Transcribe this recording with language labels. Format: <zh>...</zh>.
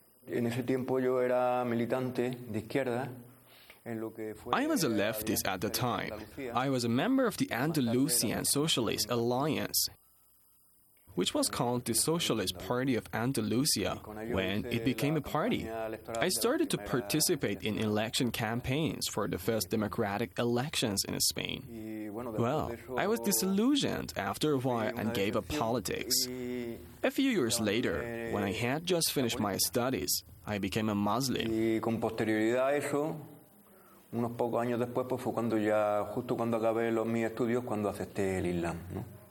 <es>En ese tiempo yo era militante de izquierda.</es> <en>I was a leftist at the time. I was a member of the Andalusian Socialist Alliance. which was called the Socialist Party of Andalusia, when it became a party. I started to participate in election campaigns for the first democratic elections in Spain. Well, I was disillusioned after a while and gave up politics. A few years later, when I had just finished my studies, I became a Muslim.</en> <es>Unos pocos años después, pues fue cuando ya, justo cuando acabé los mis estudios, cuando acepté el Islam, ¿no?</es>